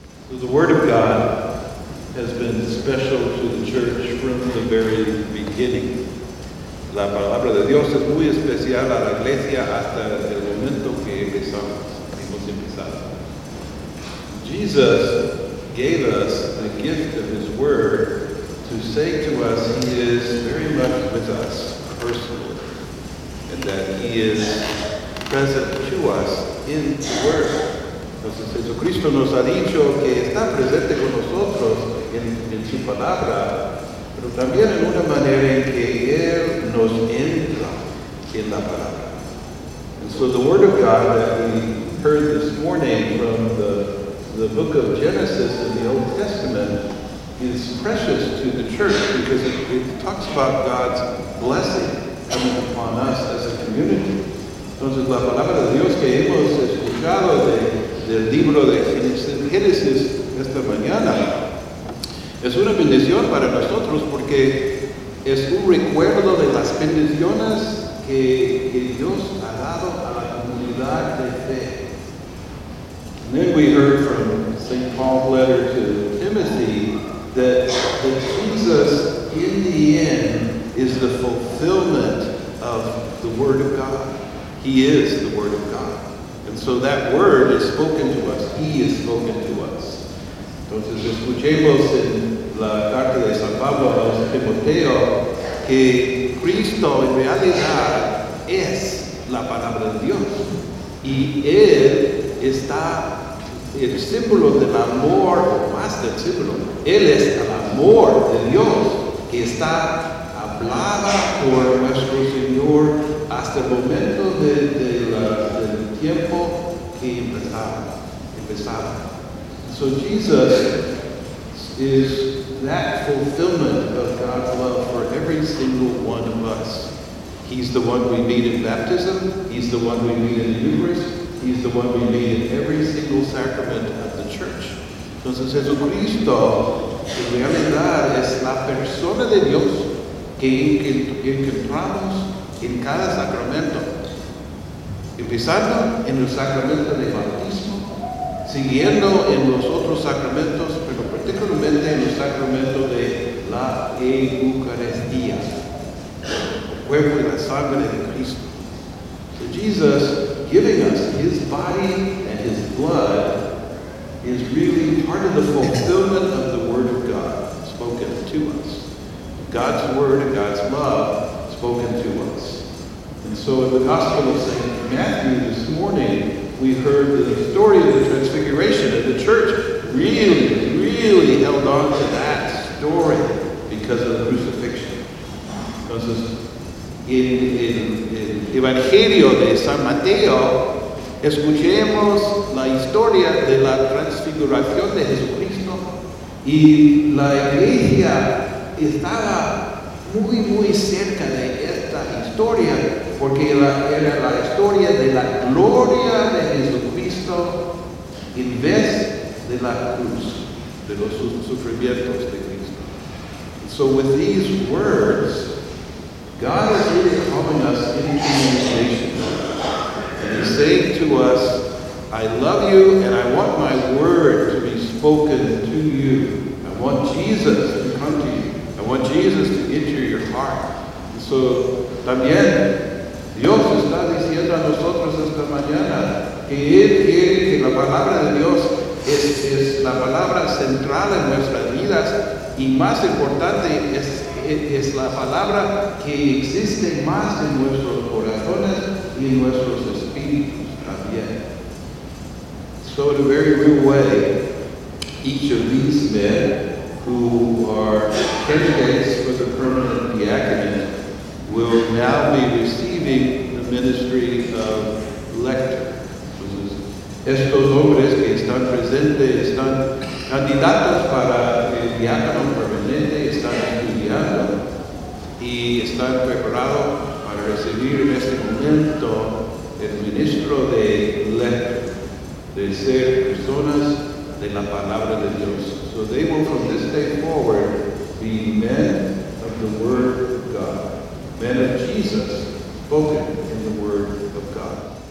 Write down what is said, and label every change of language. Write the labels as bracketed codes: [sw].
[en] The Word of God has been special to the church from the very beginning. [es] La palabra de Dios es muy especial a la iglesia hasta el momento que hemos empezado. [en] Jesus gave us the gift of his word to say to us he is very much with us personally, and that he is present to us in the word. [es] Entonces Jesucristo nos ha dicho que está presente con nosotros en su palabra, pero también en una manera en que Él nos entra en la palabra. [en] And so the word of God that we heard this morning from the book of Genesis in the Old Testament is precious to the church because it talks about God's blessing coming upon us as a community. [es] Entonces la palabra de Dios que hemos escuchado del libro de Génesis esta mañana es una bendición para nosotros porque es un recuerdo de las bendiciones que Dios ha dado a la comunidad de fe. [en] And then we heard from St. Paul's letter to Timothy that Jesus in the end is the fulfillment of the Word of God. He is the Word of God. And so that word is spoken to us. He is spoken to us. [es] Entonces escuchemos en la carta de San Pablo a Timoteo que Cristo en realidad es la palabra de Dios. Y Él está el símbolo del amor, más del símbolo. Él es el amor de Dios que está hablada por nuestro Señor hasta el momento del tiempo que empezaba. [en] So Jesus is that fulfillment of God's love for every single one of us. He's the one we meet in baptism. He's the one we meet in the Eucharist. He's the one we meet in every single sacrament of the church. [es] Entonces Jesucristo en realidad es la persona de Dios que encontramos en cada sacramento, empezando en el sacramento de bautismo, siguiendo en los otros sacramentos, pero particularmente en el sacramento de la Eucaristía, el cuerpo y la sangre de Cristo. [en] So Jesus giving us his body and his blood is really part of the fulfillment of the word of God spoken to us. God's word and God's love spoken to us. And so in the Gospel of St. Matthew this morning, we heard the story of the Transfiguration, and the church really, really held on to that story because of the crucifixion. [es] Entonces, en Evangelio de San Mateo, escuchemos la historia de la Transfiguración de Jesucristo, y la iglesia estaba muy, muy cerca de esta historia, porque era la historia de la gloria de Jesucristo en vez de la cruz, de los sufrimientos de Cristo. [en] So with these words, God is really calling us into communication. And he's saying to us, I love you and I want my word to be spoken to you. I want Jesus to come to you. I want Jesus to enter your heart. And so, [es] también, Dios está diciendo a nosotros esta mañana que Él quiere que la palabra de Dios es la palabra central en nuestras vidas, y más importante es la palabra que existe más en nuestros corazones y en nuestros espíritus también. [en] So in a very real way, each of these men who are candidates for the permanent diaconate will now be receiving the ministry of lector. [es] Estos hombres que están presentes están candidatos para el diácono permanente, están estudiando y están preparados para recibir en este momento el ministro de lector, de ser personas de la palabra de Dios. [en] So they will from this day forward be men of the word of God, men of Jesus, spoken in the word of God.